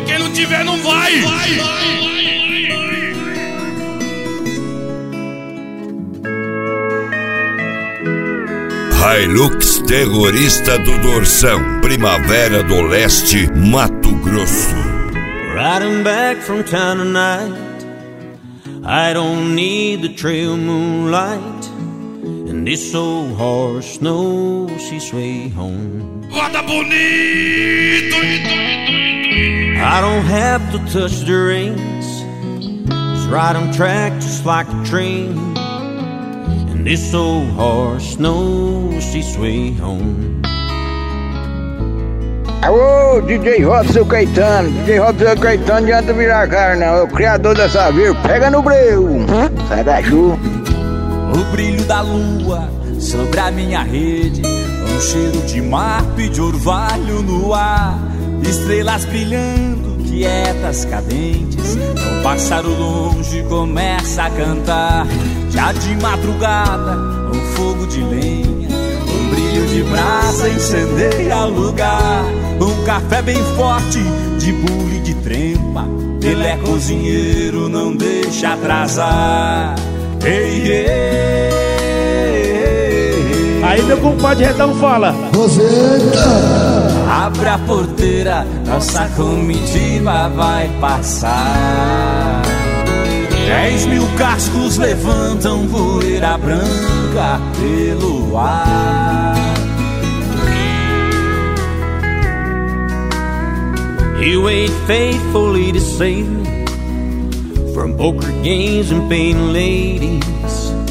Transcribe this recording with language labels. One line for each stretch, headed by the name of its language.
Portuguese: Quem não tiver não vai. Hilux Terrorista do Dorsão, Primavera do Leste, Mato Grosso.
English: Riding back from town tonight, I don't need the trail moonlight, and this old horse knows his way home.
Portuguese: Roda bonito!
English: I don't have to touch the reins, just ride on track just like a train. This old horse knows his way home.
Portuguese: Alô, DJ Robson Caetano. DJ Robson Caetano, não adianta virar cara, não. É o criador dessa vida. Pega no breu. Sai da Ju. O brilho da lua sobre a minha rede. Um cheiro de mar, de orvalho no ar. Estrelas brilhando, quietas, cadentes. Um pássaro longe começa a cantar. Já de madrugada, um fogo de lenha, um brilho de brasa incendeia o lugar. Um café bem forte, de bule de trempa, ele é cozinheiro, não deixa atrasar. Ei, ei, ei. Aí meu compadre Redão fala: Roseta! Abre a porteira, nossa comitiva vai passar. 10 mil cascos levantam poeira branca pelo ar.
English: He waited faithfully to save me from poker games and paying ladies.